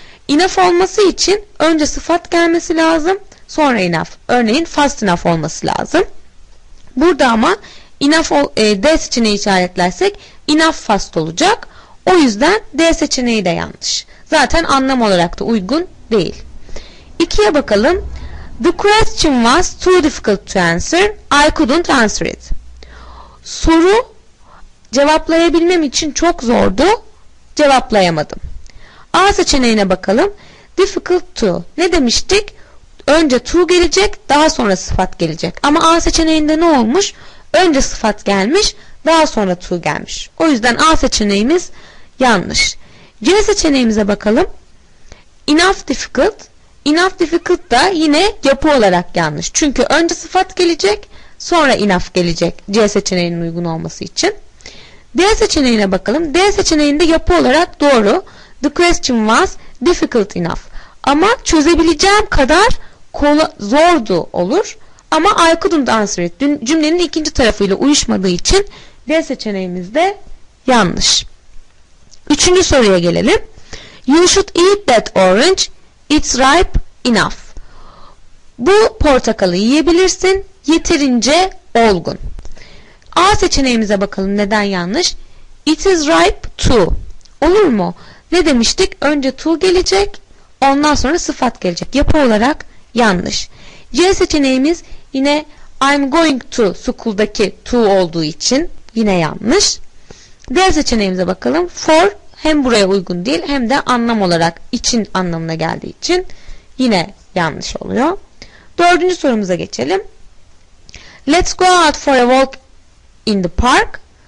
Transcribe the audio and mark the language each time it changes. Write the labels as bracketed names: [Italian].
[Turkish] Enough olması için önce sıfat gelmesi lazım, sonra enough. Örneğin fast enough olması lazım. Burada ama D seçeneği işaretlersek enough fast olacak. O yüzden D seçeneği de yanlış. Zaten anlam olarak da uygun değil. İkiye bakalım. [English] The question was too difficult to answer. I couldn't answer it. [Turkish] Soru cevaplayabilmem için çok zordu. Cevaplayamadım. A seçeneğine bakalım. Difficult to. Ne demiştik? Önce to gelecek, daha sonra sıfat gelecek. Ama A seçeneğinde ne olmuş? Önce sıfat gelmiş, daha sonra to gelmiş. O yüzden A seçeneğimiz yanlış. C seçeneğimize bakalım. Enough difficult. Enough difficult da yine yapı olarak yanlış. Çünkü önce sıfat gelecek, sonra enough gelecek. C seçeneğinin uygun olması için. D seçeneğine bakalım. D seçeneğinde yapı olarak doğru. [English] The question was difficult enough. [Turkish] Ama çözebileceğim kadar zordu olur. Ama [English] I couldn't answer it. [Turkish] Cümlenin ikinci tarafıyla uyuşmadığı için D seçeneğimiz de yanlış. Üçüncü soruya gelelim. [English] You should eat that orange. It's ripe enough. [Turkish] Bu portakalı yiyebilirsin. Yeterince olgun. A seçeneğimize bakalım neden yanlış. [English] It is ripe too. [Turkish] Olur mu? Ne demiştik? Önce too gelecek, ondan sonra sıfat gelecek. Yapı olarak yanlış. C seçeneğimiz yine I'm going to school'daki too olduğu için yine yanlış. D seçeneğimize bakalım. For hem buraya uygun değil hem de anlam olarak için anlamına geldiği için yine yanlış oluyor. Dördüncü sorumuza geçelim. [English] Let's go out for a walk in the park.